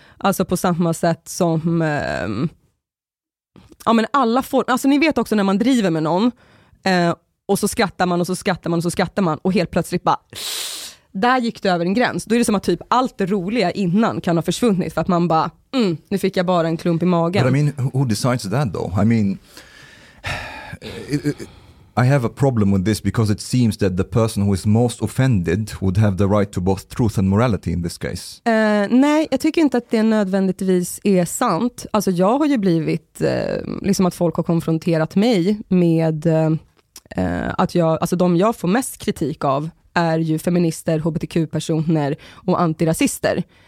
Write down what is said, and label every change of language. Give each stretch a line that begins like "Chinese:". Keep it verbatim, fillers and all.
Swedish: Alltså på samma sätt som... Uh, Ja, men alla får, alltså ni vet också när man driver med någon eh, och så skrattar man och så skrattar man och så skrattar man och helt plötsligt bara, där gick det över en gräns. Då är det som att typ allt det roliga innan kan ha försvunnit för att man bara, mm, nu fick jag bara en klump i magen.
English: But I mean, who decides that though? I mean, it, it, I have a problem with this because it seems that the person who is most offended would have the right to both truth and morality in this case.
Swedish: Eh, nej, jag tycker inte att det nödvändigtvis är sant. Alltså jag har ju blivit, eh, liksom att folk har konfronterat mig med eh, att jag, alltså de jag får mest kritik av är ju feminister, hbtq-personer och antirasister.